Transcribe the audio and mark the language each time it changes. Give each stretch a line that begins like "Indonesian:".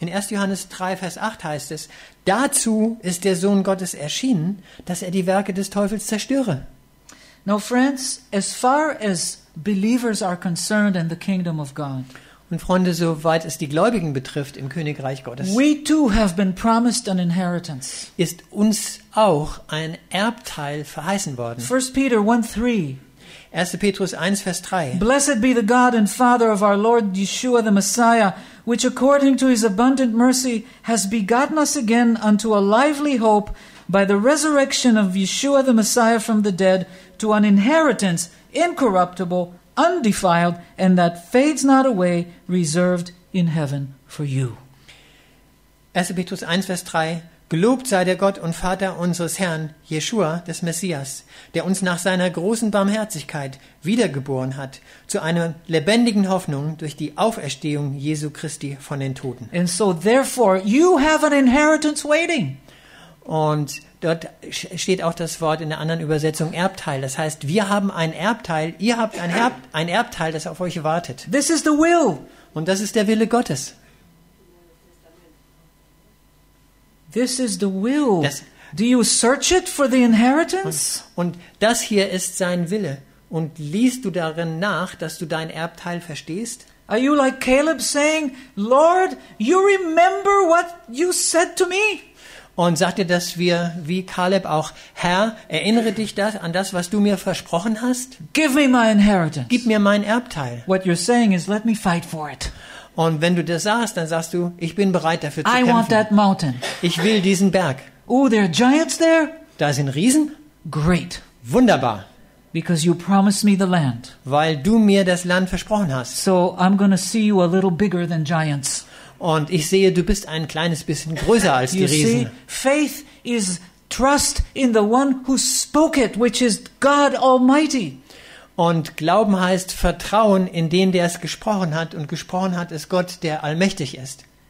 German: Johannes 3, Vers 8 heißt es, dazu ist der Sohn Gottes erschienen, dass er die Werke des Teufels zerstöre.
English: Now friends, as far as believers are concerned in the kingdom of God.
German: Und Freunde, soweit es die Gläubigen betrifft im Königreich Gottes.
English: We too have been promised an inheritance.
German: Ist uns auch ein Erbteil verheißen worden.
English: 1 Peter 1:3.
German: 1. Petrus 1, Vers 3.
English: Blessed be the God and Father of our Lord Yeshua the Messiah, which according to his abundant mercy has begotten us again unto a lively hope by the resurrection of Yeshua the Messiah from the dead to an inheritance incorruptible, undefiled, and that fades not away, reserved in heaven for you.
German: 1. Petrus 1, Vers 3. Gelobt sei der Gott und Vater unseres Herrn, Jeschua, des Messias, der uns nach seiner großen Barmherzigkeit wiedergeboren hat, zu einer lebendigen Hoffnung durch die Auferstehung Jesu Christi von den Toten.
English: And so therefore you have an inheritance waiting.
German: Und dort steht auch das Wort in der anderen Übersetzung Erbteil. Das heißt, wir haben ein Erbteil, ihr habt ein Erbteil, das auf euch wartet.
English: This is the will.
German: Und das ist der Wille Gottes.
English: This is the will. Do you search it for the inheritance?
German: Und das hier ist sein Wille. Und liest du darin nach, dass du dein Erbteil verstehst?
English: Are you like Caleb saying, Lord, you remember what you said to me?
German: Und sagt dir, dass wir wie Caleb auch, Herr, erinnere dich das an das, was du mir versprochen hast?
English: Give me my inheritance.
German: Gib mir mein Erbteil.
English: What you're saying is, let me fight for it.
German: Und wenn du das sagst, dann sagst du, ich bin bereit dafür zu kämpfen.
English: I want that mountain.
German: Ich will diesen Berg.
English: Oh, there are giants there?
German: Da sind Riesen?
English: Great.
German: Wunderbar.
English: Because you promised me the land.
German: Weil du mir das Land versprochen hast.
English: So I'm gonna see you a little bigger than giants.
German: Und ich sehe, du bist ein kleines bisschen größer als die Riesen.
English: You see, faith is trust in the one who spoke it, which is God Almighty.
German: Und Glauben heißt Vertrauen in den, der es gesprochen hat. Und gesprochen hat es Gott, der allmächtig ist.